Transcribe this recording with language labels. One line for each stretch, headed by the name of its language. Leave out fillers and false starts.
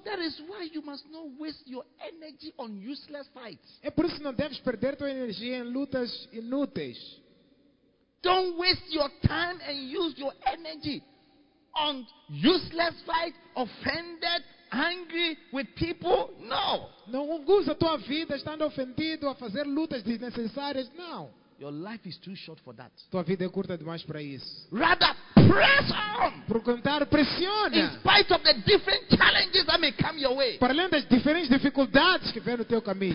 English: That is why you must not waste your energy on useless fights.
Portuguese: É por isso que não deves perder tua energia em lutas inúteis.
English: Don't waste your time and use your energy on useless fights, offended, angry with people? No.
Portuguese: Não usa tua vida estando ofendido a fazer lutas desnecessárias. Não.
English: Your life is too short for that.
Portuguese: Tua vida é curta demais para isso.
English: Rather press on.
Portuguese: Procurar pressione.
English: In spite of the different challenges that may come your way.
Portuguese: Para além das diferentes dificuldades que vêm no teu caminho.